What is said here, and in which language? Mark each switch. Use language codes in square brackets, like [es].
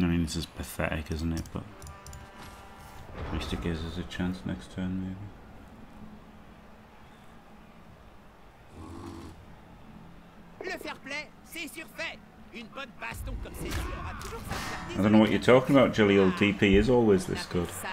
[en] This is pathetic, isn't it? But at least it gives us a chance next turn, maybe. [fr] Le fair play, c'est surfait. Une bonne baston comme c'est sûr. [en] I don't know what you're talking about, Jaleel. DP is always this good.